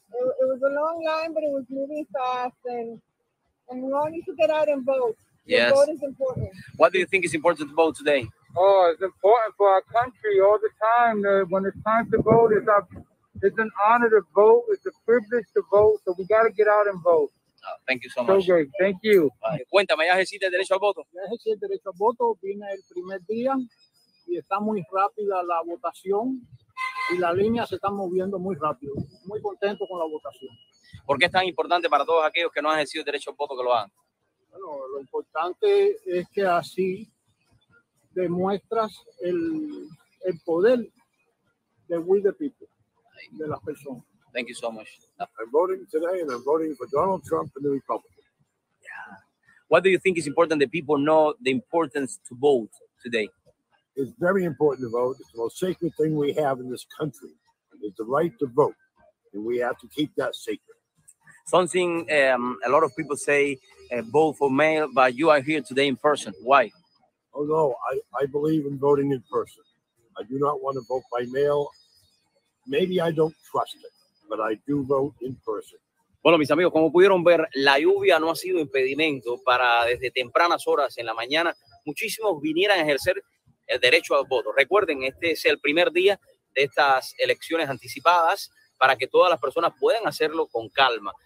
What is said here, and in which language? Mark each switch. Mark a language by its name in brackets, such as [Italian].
[English] It was a long line, but it was moving fast, and we all need to get out and vote. Yes. Vote is important. What do you think is important to vote today? Oh, it's important for our country all the time. When it's time to vote, it's our It's an honor to vote. It's a privilege to vote. So we got to get out and vote. Thank you so much. Okay, thank you. [Spanish] Cuéntame, ¿ya ejerciste el derecho al voto? Ya ejercí el derecho al voto. Vine el primer día y está muy rápida la votación y la línea se está moviendo muy rápido. Muy contento con la votación. ¿Por qué es tan importante para todos aquellos que no han ejercido el derecho al voto que lo hagan? Bueno, lo importante es que así demuestras el poder de We the People, de las personas. [English] Thank you so much. I'm voting today, and I'm voting for Donald Trump and the Republicans. Yeah. What do you think is important that people know the importance to vote today? It's very important to vote. It's the most sacred thing we have in this country. It's the right to vote, and we have to keep that sacred. Something a lot of people say, vote for mail, but you are here today in person. Why? Oh, no. I believe in voting in person. I do not want to vote by mail. Maybe I don't trust it. But I do vote in person. [Spanish] Bueno, mis amigos, como pudieron ver, la lluvia no ha sido impedimento para desde tempranas horas en la mañana muchísimos vinieran a ejercer el derecho al voto. Recuerden, este es el primer día de estas elecciones anticipadas para que todas las personas puedan hacerlo con calma.